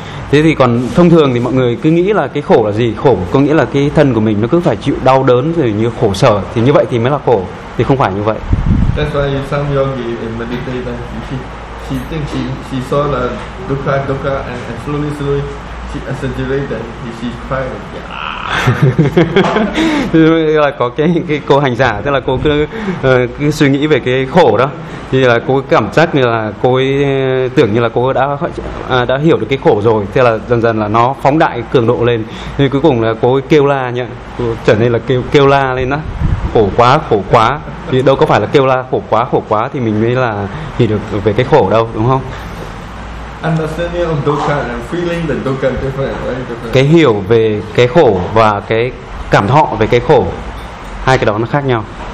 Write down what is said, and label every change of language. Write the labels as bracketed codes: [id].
[vi] Thế thì còn thông thường thì mọi người cứ nghĩ là cái khổ là gì? Khổ có nghĩa là cái thân của mình nó cứ phải chịu đau đớn rồi như khổ sở thì như vậy thì mới là khổ, thì không phải như vậy. [en] That's why some yogi in meditation she thinks she saw the dukkha and slowly she exaggerated, she cried. [vi] Là có cái cô hành giả, tức là cô cứ suy nghĩ về cái khổ đó thì là cô cảm giác như là cô ấy, tưởng như là cô đã hiểu được cái khổ rồi, thế là dần dần là nó phóng đại cường độ lên, thì cuối cùng là cô ấy kêu la nhỉ, cô trở nên là kêu la lên đó, khổ quá thì đâu có phải là kêu la khổ quá thì mình mới là hiểu được về cái khổ đâu, đúng không? [en] Understanding of dukkha and feeling the dukkha different. [vi] Cái hiểu về cái khổ và cái cảm thọ về cái khổ, hai cái đó nó khác nhau.